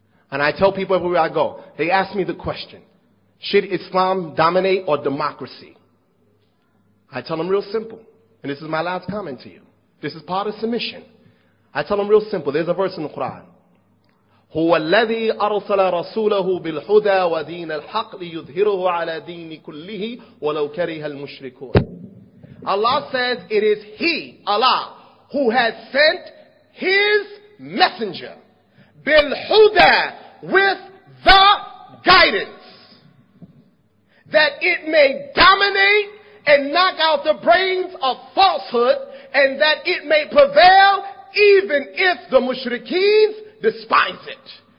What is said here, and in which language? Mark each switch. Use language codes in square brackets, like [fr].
[en] And I tell people everywhere I go, they ask me the question, should Islam dominate or democracy? I tell them real simple, and this is my last comment to you. This is part of submission. I tell them real simple. There's a verse in the Quran. [ar] هو الذي أرسل رسوله بالهدى ودين الحق ليظهره على دين كله ولو كره المشركون. [en] Allah says it is He, Allah, who has sent His messenger [ar] بالهدى [en] with the guidance that it may dominate and knock out the brains of falsehood and that it may prevail even if the mushrikeens despise it.